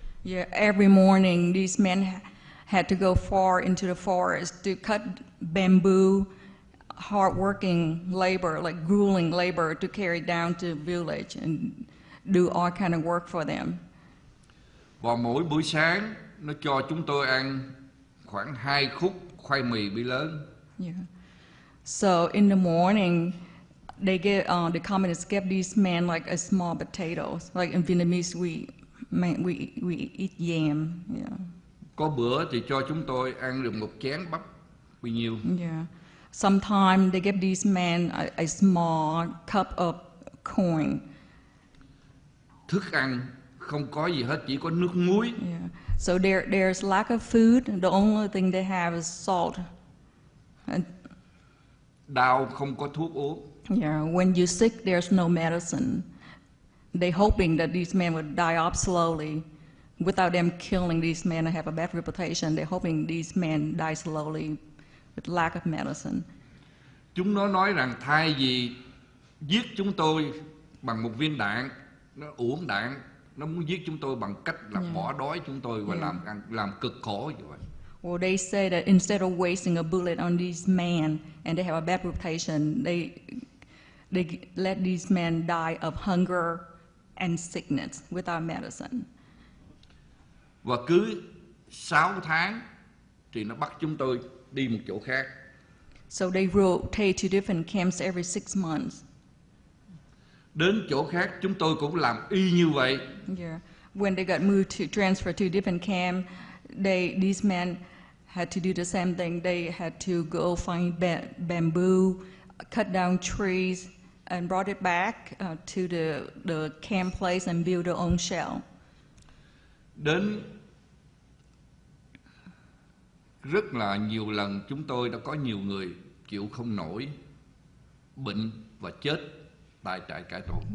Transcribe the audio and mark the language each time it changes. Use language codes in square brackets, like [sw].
[en] Yeah, every morning these men had to go far into the forest to cut bamboo, hard working labor, like grueling labor to carry down to village and do all kind of work for them. [vi] Và mỗi buổi sáng nó cho chúng tôi ăn khoảng 2 khúc khoai mì bị lớn. [en] Yeah. So in the morning, they get the communists give these men like a small potatoes, like in Vietnamese we eat yam. Yeah. [vi] Có bữa thì cho chúng tôi ăn được một chén bắp bao nhiêu. [en] Yeah. Sometimes they give these men a small cup of corn. [vi] Thức ăn không có gì hết, chỉ có nước muối. [en] Yeah. So there's lack of food. The only thing they have is salt. [vi] Đau không có thuốc uống. [en] Yeah, when you're sick, there's no medicine. They hoping that these men would die off slowly, without them killing these men and have a bad reputation. They hoping these men die slowly, with lack of medicine. [vi] Chúng nó nói rằng thay vì giết chúng tôi bằng một viên đạn, nó uổng đạn, nó muốn giết chúng tôi bằng cách là bỏ đói chúng tôi và làm cực khổ vậy. [en] Well, they say that instead of wasting a bullet on these men, and they have a bad reputation, they let these men die of hunger and sickness without medicine. [vi] Và cứ 6 tháng thì nó bắt chúng tôi đi một chỗ khác. [en] So they rotate to different camps every 6 months. [vi] Đến chỗ khác chúng tôi cũng làm y như vậy. [en] Yeah. When they got moved to transfer to different camp, these men had to do the same thing. They had to go find bamboo, cut down trees, and brought it back to the camp place and build their own shell. [vi] Đến Rất là nhiều lần chúng tôi đã có nhiều người chịu không nổi bệnh và chết tại trại cải tổ.